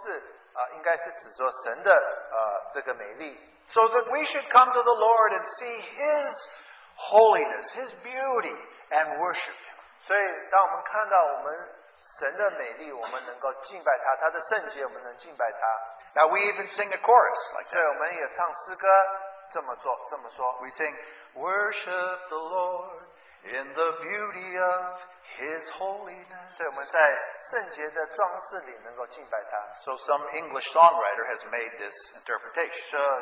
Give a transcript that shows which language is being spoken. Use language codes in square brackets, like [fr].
[zh] 所以这边提到圣洁的装饰敬拜耶和华，说这个装饰应该是指着神的这个美丽。 [en] So that we should come to the Lord and see His holiness, His beauty, and worship Him. [zh] 所以当我们看到我们神的美丽，我们能够敬拜祂，祂的圣洁，我们能敬拜祂。 [en] Now we even sing a chorus like that. [zh] 对，我们也唱诗歌，这么做，这么说。 [en] We sing, worship the Lord in the beauty of His holiness. [zh] 对，我们在圣洁的装饰里能够敬拜祂。 [en] So some English songwriter has made this interpretation.